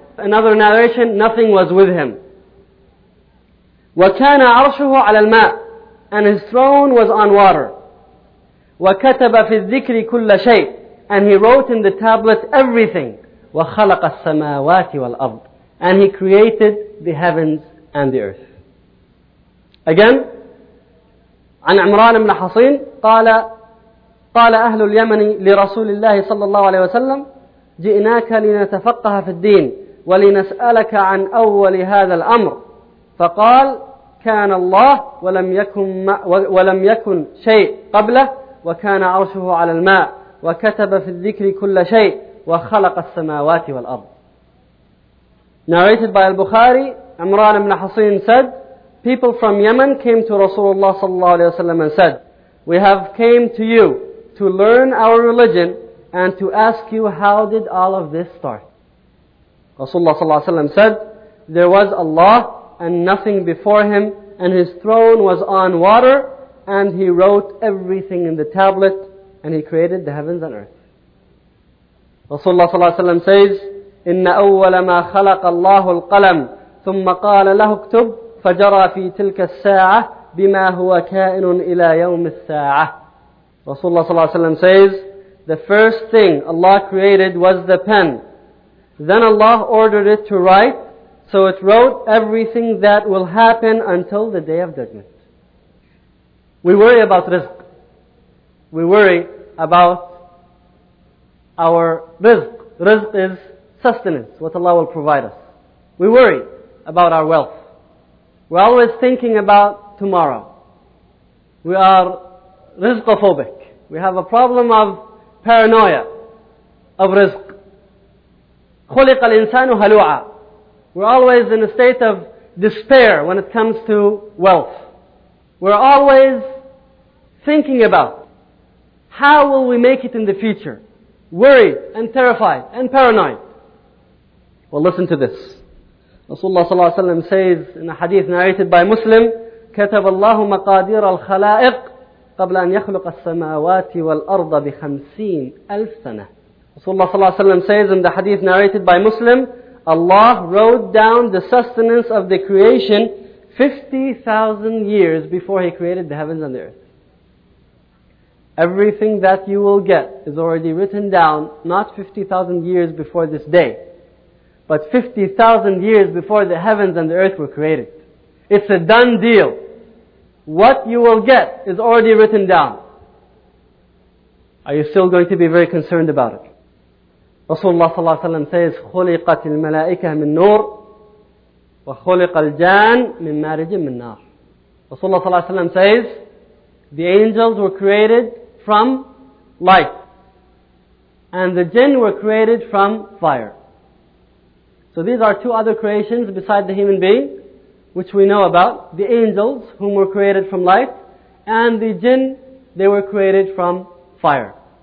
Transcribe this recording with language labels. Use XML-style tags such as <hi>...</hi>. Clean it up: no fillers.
<en>Another narration, nothing was with Him.</en> <ar>وَكَانَ عَرْشُهُ عَلَى الْمَاءِ,</ar> <en>and His throne was on water.</en> <ar>وَكَتَبَ فِي الذِّكْرِ كُلَّ شَيْءٍ,</ar> <en>and He wrote in the tablet everything.</en> <ar>وَخَلَقَ السَّمَاوَاتِ وَالْأَرْضِ,</ar> <en>and He created the heavens and the earth. Again,</en> <ar>عن عمران بن حصين قال, قال أهل اليمن لرسول الله صلى الله عليه وسلم, جئناك لنتفقه في الدين ولنسألك عن أول هذا الأمر. فقال, كان الله ولم يكن شيء قبله, وكان عرشه على الماء, وكتب في الذكر كل شيء, وخلق السماوات والأرض.</ar> <en>Narrated by al-Bukhari, Imran ibn Hussein said, people from Yemen came to Rasulullah sallallahu alayhi wa sallam and said, we have came to you to learn our religion and to ask you, how did all of this start? Rasulullah sallallahu alayhi wa sallam said, there was Allah and nothing before Him, and His throne was on water, and He wrote everything in the tablet, and He created the heavens and earth. Rasulullah sallallahu alayhi wa sallam says,</en> <ar>إِنَّ أَوَّلَ مَا خَلَقَ اللَّهُ الْقَلَمُ ثُمَّ قَالَ لَهُ اكْتُبْ فَجَرَى فِي تِلْكَ السَّاعَةِ بِمَا هُوَ كَائِنٌ إِلَى يَوْمِ السَّاعَةِ.</ar> <en>Rasulullah sallallahu alayhi wa sallam says, the first thing Allah created was the pen. Then Allah ordered it to write, so it wrote everything that will happen until the Day of Judgment. We worry about rizq. We worry about our rizq. Rizq is sustenance, what Allah will provide us. We worry about our wealth. We're always thinking about tomorrow. We are rizqophobic. We have a problem of paranoia of rizq.</en> <ar>خُلِقَ الْإِنسَانُ هَلُوعًا.</ar> <en>We're always in a state of despair when it comes to wealth. We're always thinking about how will we make it in the future. Worried and terrified and paranoid. Well, listen to this.</en> <ar>Rasulullah صلى الله عليه وسلم</ar> <en>says in a hadith narrated by Muslim,</en> <ar>كَتَبَ اللَّهُ مَقَادِيرَ الْخَلَائِقِ قَبْلَ أَنْ يَخْلُقَ السَّمَاوَاتِ وَالْأَرْضَ بِخَمْسِينَ أَلْفْ سَنَةِ.</ar> <en>Rasulullah صلى الله عليه وسلم says in the hadith narrated by Muslim, Allah wrote down the sustenance of the creation 50,000 years before He created the heavens and the earth. Everything that you will get is already written down, not 50,000 years before this day, but 50,000 years before the heavens and the earth were created. It's a done deal. What you will get is already written down. Are you still going to be very concerned about it?</en> <ar>Rasulullah صلى الله عليه وسلم</ar> <en>says,</en> <ar>خلقت الملائكة من نور وخلق الجان من مارج من نار.</ar> <en>Rasulullah صلى الله عليه وسلم says, the angels were created from light and the jinn were created from fire. So these are two other creations beside the human being which we know about. The angels, whom were created from light, and the jinn, they were created from fire.</en>